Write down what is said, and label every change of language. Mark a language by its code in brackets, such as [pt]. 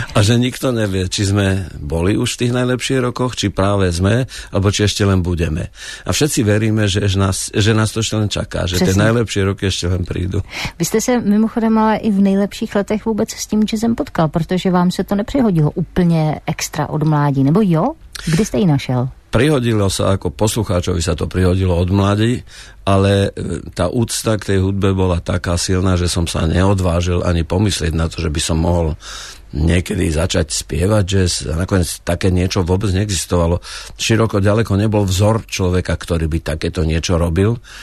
[sk] A že nikto nevie, či sme boli už v tých najlepších rokoch, či práve sme, alebo či ešte len budeme. A všetci veríme, že nás to ešte len čaká, že tie najlepšie roky ešte len prídu. [cs] Vy ste sa mimochodem ale i v nejlepších letech vôbec s tým jazzem potkal, pretože vám sa to neprihodilo úplne extra od mládí. Nebo jo? Kde ste ji našel? [sk] Prihodilo sa, ako poslucháčovi sa to prihodilo od mladí, ale tá úcta k tej hudbe bola taká silná, že som sa neodvážil ani pomyslieť na to, že by som mohol niekedy začať spievať jazz. A nakoniec také niečo vôbec neexistovalo. Široko ďaleko nebol vzor človeka, ktorý by takéto niečo robil.